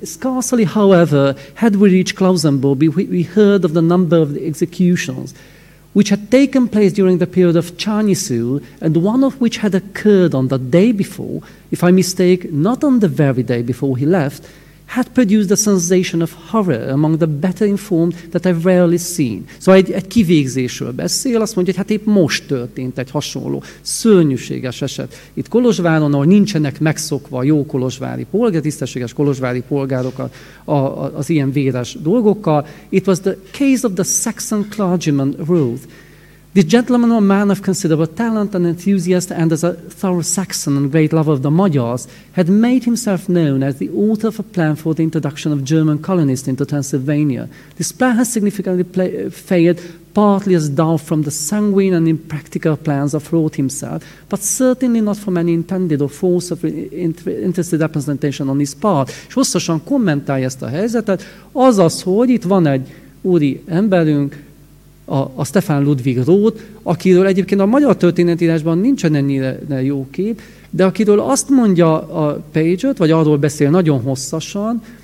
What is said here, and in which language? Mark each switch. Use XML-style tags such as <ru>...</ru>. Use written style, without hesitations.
<en>Scarcely, however, had we reached Klausenburg, we heard of the number of the executions which had taken place during the period of Chanisu, and one of which had occurred on the day before, if I mistake, not on the very day before he left, had produced a sensation of horror among the better informed that I've rarely seen.</en> <hu>Szóval egy kivégzésről beszél, azt mondja, hogy hát épp most történt egy hasonló szörnyűséges eset. Itt Kolozsváron, ahol nincsenek megszokva jó kolozsvári polgár, tisztességes kolozsvári polgárok az ilyen véres dolgokkal.</hu> <en>It was the case of the Saxon clergyman Ruth. This gentleman was a man of considerable talent and enthusiast, and as a thorough Saxon and great lover of the Magyars, had made himself known as the author of a plan for the introduction of German colonists into Transylvania. This plan has significantly failed, partly as doubt from the sanguine and impractical plans of Roth himself, but certainly not from any intended or false or interested representation on his part.</en> <hu>És hosszasan kommentálja ezt a helyzetet, azaz, hogy itt van egy úri emberünk, a Stefan Ludwig Roth, akiről egyébként a magyar történetírásban nincsen ennyire jó kép, de akiről azt mondja a Page-öt, vagy arról beszél nagyon hosszasan,</hu>